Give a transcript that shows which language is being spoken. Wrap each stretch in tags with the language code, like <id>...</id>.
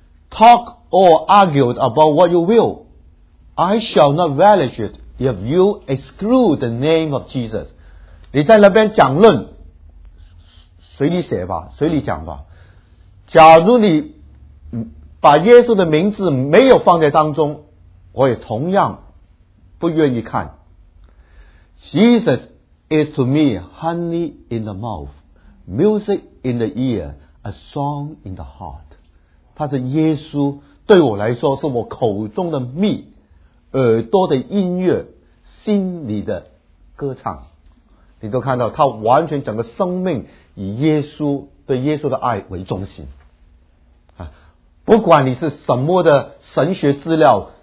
<en>Talk or argue about what you will, I shall not relish it if you exclude the name of Jesus。</en> <zh>你在那边讲论，随你写吧，随你讲吧，假如你把耶稣的名字没有放在当中，我也同样不愿意看。</zh> <en>JesusIs to me honey in the mouth, music in the ear, a song in the heart。</en> <zh>他的耶稣对我来说是我口中的蜜，耳朵的音乐，心里的歌唱。你都看到他完全整个生命以耶稣，对耶稣的爱为中心。不管你是什么的神学资料，</zh>